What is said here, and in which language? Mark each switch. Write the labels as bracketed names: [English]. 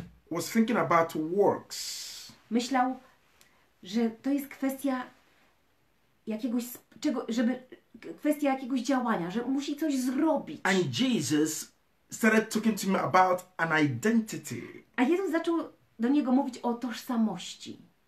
[English] Was thinking about works. [Polish] Myślał, że to jest kwestia jakiegoś czego, żeby kwestia jakiegoś działania, że musi coś zrobić. [English] And Jesus started talking to me about an identity. [Polish] A Jezus zaczął do niego mówić o tożsamości.